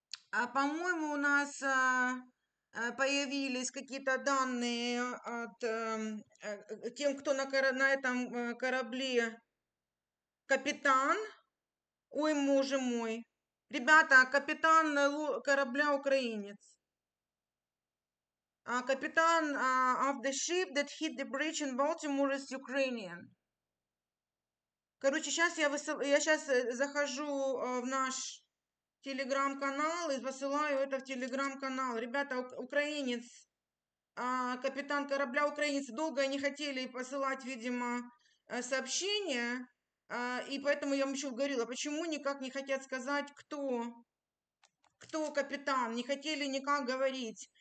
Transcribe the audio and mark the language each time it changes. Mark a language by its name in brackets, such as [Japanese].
[Russian] По-моему, у нас появились какие-то данные от тем, кто на этом корабле капитан. Ой, боже мой. Ребята, капитан корабля украинец. [English] Капитан of the ship that hit the bridge in Baltimore is Ukrainian. [Russian] Короче, сейчас я сейчас захожу в наш... телеграм-канал и посылаю это в телеграм-канал. Ребята, украинец, капитан корабля украинец, долго не хотели посылать, видимо, сообщение, и поэтому я вам еще говорила, почему никак не хотят сказать, кто капитан, не хотели никак говорить.